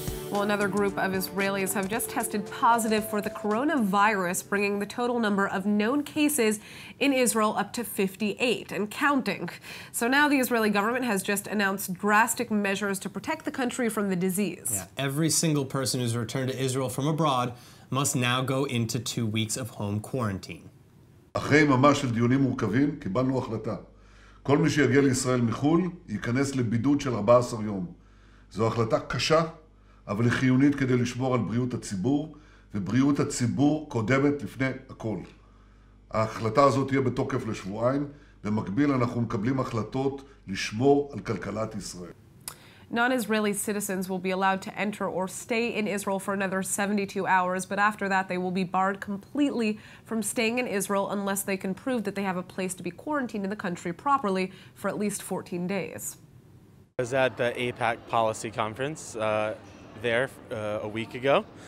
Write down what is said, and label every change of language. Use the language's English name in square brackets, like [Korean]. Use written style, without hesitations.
[English] Well, another group of Israelis have just tested positive for the coronavirus, bringing the total number of known cases in Israel up to 58 and counting. So now the Israeli government has just announced drastic measures to protect the country from the disease. Yeah, every single person who's returned to Israel from abroad must now go into 2 weeks of home quarantine. [Hebrew] אחרי ממש של דיונים מורכבים, קיבלנו החלטה. כל מי שיגיע לישראל מחול ייכנס לבידוד של 14 יום. זו החלטה קשה, אבל היא חיונית כדי לשמור על בריאות הציבור, ובריאות הציבור קודמת לפני הכל. ההחלטה הזאת תהיה בתוקף לשבועיים, במקביל אנחנו מקבלים החלטות לשמור על כלכלת ישראל. [English] Non-Israeli citizens will be allowed to enter or stay in Israel for another 72 hours, but after that they will be barred completely from staying in Israel unless they can prove that they have a place to be quarantined in the country properly for at least 14 days. I was at the APAC policy conference a week ago.